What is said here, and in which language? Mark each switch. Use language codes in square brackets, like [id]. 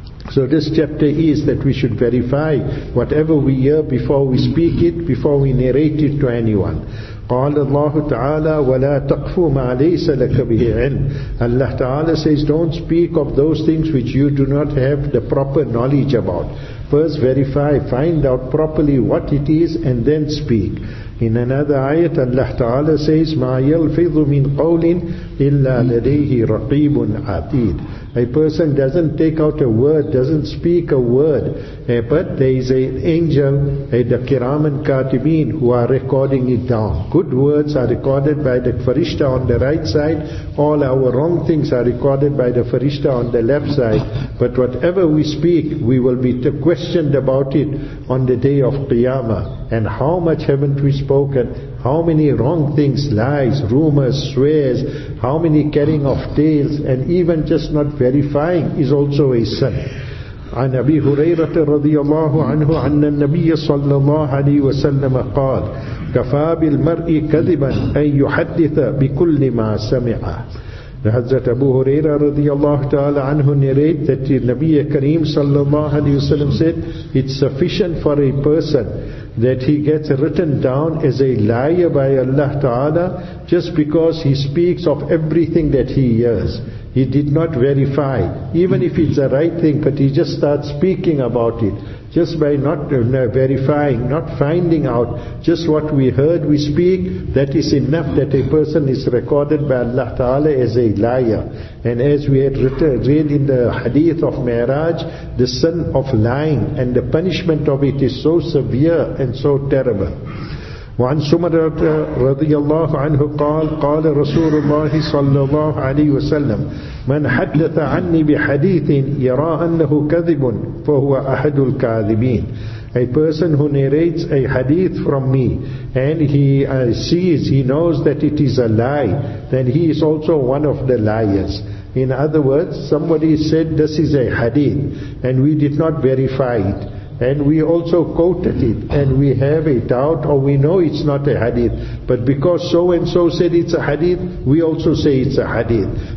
[en] So this chapter is that we should verify whatever we hear before we speak it, before we narrate it to anyone. [ar] قَالَ اللَّهُ تَعَالَى وَلَا تَقْفُ مَا لَيْسَ لَكَ بِهِ عِلْمٍ. [en] Allah Ta'ala says, don't speak of those things which you do not have the proper knowledge about. First verify, find out properly what it is, and then speak. In another ayat, Allah Ta'ala says, [ar] مَا يَلْفِظُ مِنْ قَوْلٍ إِلَّا لَدَيْهِ رَقِيبٌ عَتِيدٌ. [en] A person doesn't take out a word, doesn't speak a word, but there is an angel, the Kiraman Katibin, who are recording it down. Good words are recorded by the Farishta on the right side. All our wrong things are recorded by the Farishta on the left side. But whatever we speak, we will be questioned about it on the day of Qiyamah. And how much haven't we spoken? How many wrong things, lies, rumors, swears, how many carrying of tales, and even just not verifying is also a sin. [ar] عن أبي هريرة رضي الله عنه عن النبي صلى الله عليه وسلم قال كفى بالمرء كذبا أن يحدث بكل ما سمع. [en] حضرت أبو هريرة [ar] رضي الله تعالى عنه [en] narrate that the نبي كريم [ar] صلى الله عليه وسلم [en] said, it's sufficient for a person that he gets written down as a liar by Allah Ta'ala just because he speaks of everything that he hears. He did not verify, even if it's the right thing, but he just starts speaking about it. Just by not verifying, not finding out, just what we heard we speak, that is enough that a person is recorded by Allah Ta'ala as a liar. And as we had read in the hadith of Mi'raj, the sin of lying and the punishment of it is so severe and so terrible. [ar] وعن سمرة رضي الله عنه قال قال رسول الله صلى الله عليه وسلم من حدث عني بحديث يرى أنه كذب فهو أحد الكاذبين. [en] A person who narrates a hadith from me and he knows that it is a lie, then he is also one of the liars. In other words, somebody said this is a hadith and we did not verify it, and we also quoted it, and we have a doubt, or we know it's not a hadith, but because so and so said it's a hadith, we also say it's a hadith.